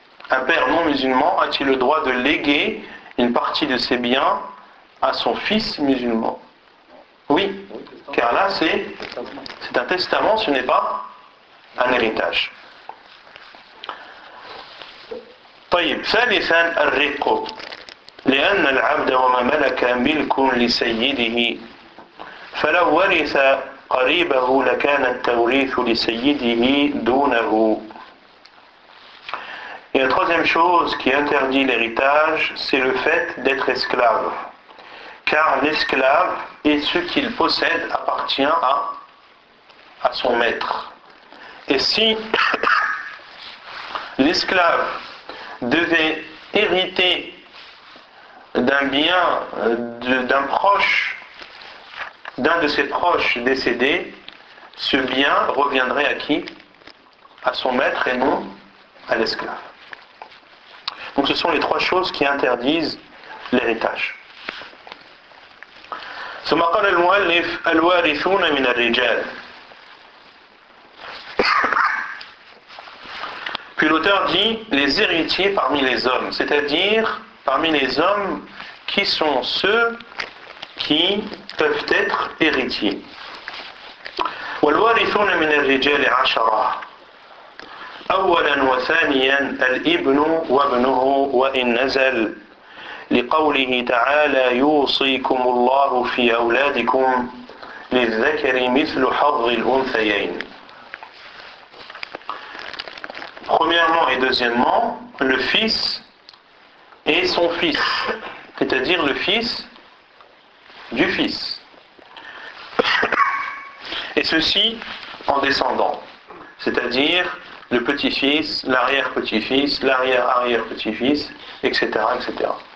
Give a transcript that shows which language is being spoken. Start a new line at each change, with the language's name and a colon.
French: Un père non-musulman a-t-il le droit de léguer une partie de ses biens à son fils musulman ? Oui, car là c'est un testament, ce n'est pas un héritage.
Arabic: طيب ثالثا الرق لأن العبد وما ملك ملك لسيده فلو ورث قريبه لكان التوريث لسيده دونه.
French: Et la troisième chose qui interdit l'héritage, c'est le fait d'être esclave, car l'esclave et ce qu'il possède appartient à son maître. Et si l'esclave devait hériter d'un bien d'un proche, d'un de ses proches décédés, ce bien reviendrait à qui ? À son maître et non à l'esclave. Donc ce sont les trois choses qui interdisent l'héritage.
Arabic: ثم قال المؤلف الوارثون من الرجال.
French: Puis l'auteur dit les héritiers parmi les hommes, c'est-à-dire parmi les hommes qui sont ceux qui peuvent être héritiers.
Arabic: والوارثون من الرجال عشرة أولا وثانيا الابن وابنه وإن نزل لقوله تعالى يوصيكم الله في أولادكم للذكر مثل حظ الأنثيين.
French: Premièrement et deuxièmement, le fils et son fils, c'est-à-dire le fils du fils. Et ceci en descendant, c'est-à-dire le petit-fils, l'arrière-petit-fils, l'arrière-arrière-petit-fils, etc., etc.